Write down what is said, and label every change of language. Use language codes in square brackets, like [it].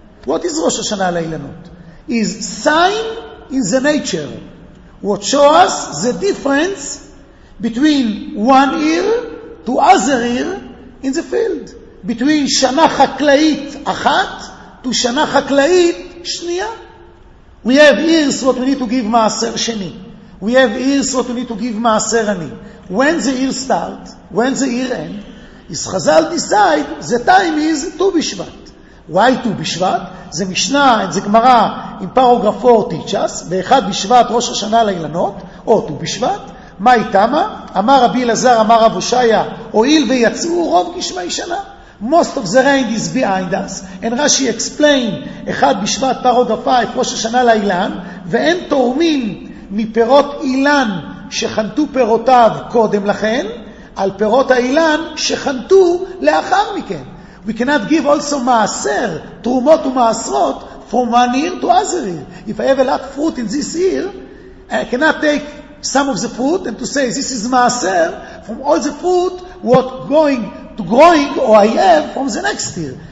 [en] What is Rosh Hashanah Leilanot? Is sign in the nature what show us the difference between one year to other year in the field, between [he] שנה חקלאית אחת [en] to [he] שנה חקלאית שנייה. [en] We have years what we need to give מעשר שני, we have years what we need to give מעשר עני. When the year start, when the year end, is חזל decide the time is ט"ו בשבט. Why ט"ו בשבט? [he] זה משנה, זה גמרא, [en] in paragraph 4 teach us, [he] באחד בשבט ראש השנה לאילנות, או ט"ו בשבט, מה איתמה? אמר רבי אלעזר, אמר רב הושעיה, הועיל ויצאו רוב גשמי שנה. [en] Most of the rain is behind us. And Rashi explained, [he] אחד בשבט [en] paragraph 5, [he] ראש השנה לאילן, ואין תורמים מפירות אילן שחנתו פירותיו קודם לכן, על פירות האילן שחנתו לאחר מכן. [en] We cannot give also מעשר, תרומות ומעשרות, from one year to other year. If I have a lot of fruit in this year, I cannot take some of the fruit and to say, this is מעשר, from all the fruit, what going to growing, or I have from the next year.